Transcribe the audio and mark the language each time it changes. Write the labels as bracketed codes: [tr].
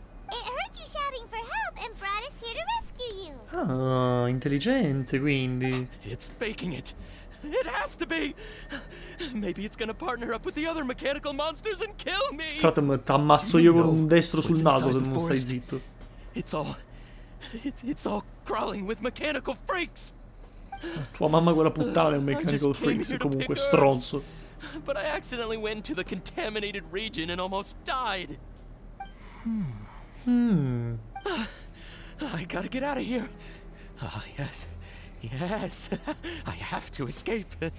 [en] It heard you shouting for help and brought us here to rescue you. [it] Ah, intelligente, quindi. [en] It's faking it. It has to be. Maybe it's gonna partner up with the other mechanical monsters and kill me. [it] Frate, ma t'ammazzo io con un destro sul naso se non stai zitto. [en] It's all crawling with mechanical freaks. [it] Tua mamma quella puttana è un [en] mechanical freak, [it] sei comunque stronzo. [en] But I accidentally went to the contaminated region and almost died. I gotta get out of here. Ah, yes. Yes. I have to escape.